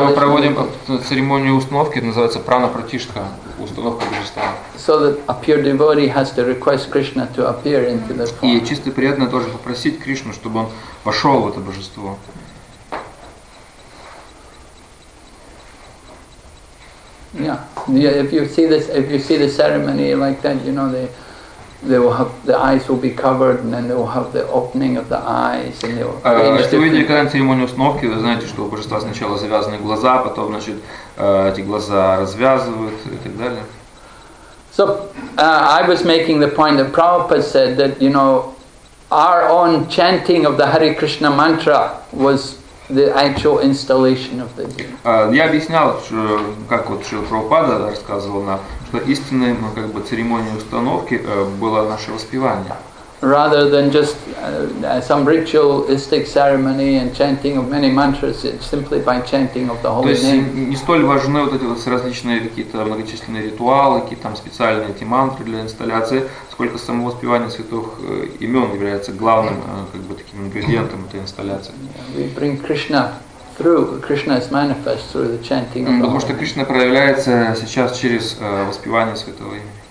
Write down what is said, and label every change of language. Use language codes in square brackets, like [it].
[ru] мы проводим церемонию установки, называется прана пратиштха, установка божества. [en] So that a pure devotee has to request Krishna to appear into the form. [ru] И чистый преданный должен попросить Кришну, чтобы он вошел в это божество. Yeah. [en] If you see the ceremony like that, you know they will have the eyes will be covered, and then they will have the opening of the eyes, and they will. [ru] Если вы видели когда-нибудь церемонию установки, вы знаете, что у божества сначала завязаны глаза, потом, значит, эти глаза развязывают и так далее. [en] So I was making the point that Prabhupada said that, you know, our own chanting of the Hare Krishna mantra was the actual installation of the deity. [ru] Я объяснял, что, как вот Шрила Прабхупада рассказывал нам, что истинной, ну, как бы, церемонией установки было наше воспевание. [en] Rather than just some ritualistic ceremony and chanting of many mantras, it's simply by chanting of the holy name. [ru] То есть не столь важны вот эти вот различные какие-то многочисленные ритуалы, какие-то там специальные эти мантры для инсталляции, сколько само воспевание святых имен является главным как бы таким ингредиентом этой инсталляции. [en] We bring Krishna through. Krishna is manifest through the chanting of the holy name. [ru] Потому что Кришна проявляется сейчас через воспевание святого имени.